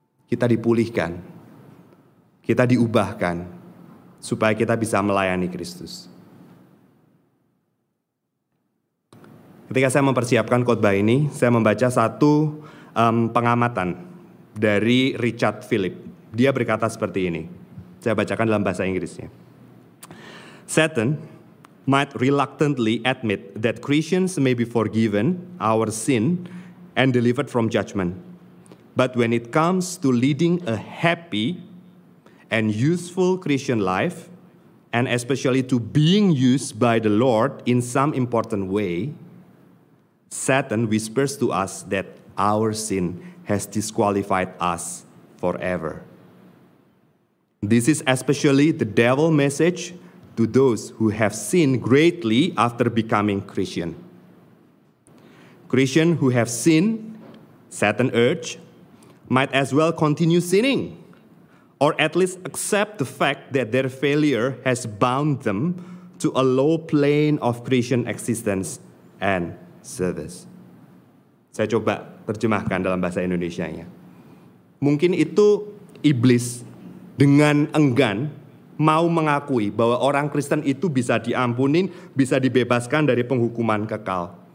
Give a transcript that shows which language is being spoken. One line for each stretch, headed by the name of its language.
Indonesian: Kita dipulihkan, kita diubahkan supaya kita bisa melayani Kristus. Ketika saya mempersiapkan khotbah ini, saya membaca satu pengamatan dari Richard Philip. Dia berkata seperti ini. Saya bacakan dalam bahasa Inggrisnya.
English: Satan might reluctantly admit that Christians may be forgiven our sin and delivered from judgment. But when it comes to leading a happy and useful Christian life, and especially to being used by the Lord in some important way, Satan whispers to us that our sin has disqualified us forever. This is especially the devil's message to those who have sinned greatly after becoming Christian. Christians who have sinned, Satan urged, might as well continue sinning, or at least accept the fact that their failure has bound them to a low plane of Christian existence and service.
Indonesian: Saya coba terjemahkan dalam bahasa Indonesianya. Mungkin itu iblis dengan enggan mau mengakui bahwa orang Kristen itu bisa diampunin, bisa dibebaskan dari penghukuman kekal.